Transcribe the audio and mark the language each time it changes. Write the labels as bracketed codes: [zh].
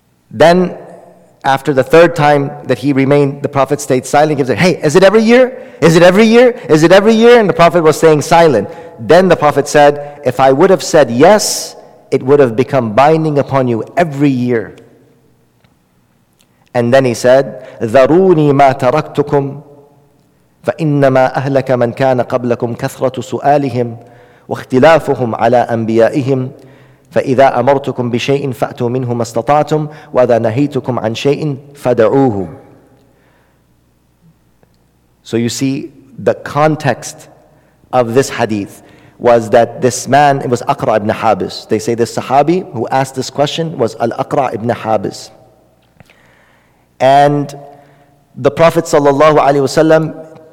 [en] Then, after the third time that he remained, the Prophet stayed silent. He said, hey, is it every year? Is it every year? Is it every year? And the Prophet was staying silent. Then the Prophet said, if I would have said yes, it would have become binding upon you every year. And then he said, [ar] ذَرُونِي مَا تَرَكْتُكُمْ فَإِنَّمَا أَهْلَكَ مَنْ كَانَ قَبْلَكُمْ كَثْرَةُ سُؤَالِهِمْ واختلافهم على أنبيائهم فإذا أمرتكم بشيء فأتوا منه ما استطعتم وإذا نهيتكم عن شيء فدعوه. [en] So you see, the context of this hadith was that this man, it was Aqra ibn Habis. They say this Sahabi who asked this question was Al-Aqra ibn Habis. And the Prophet ﷺ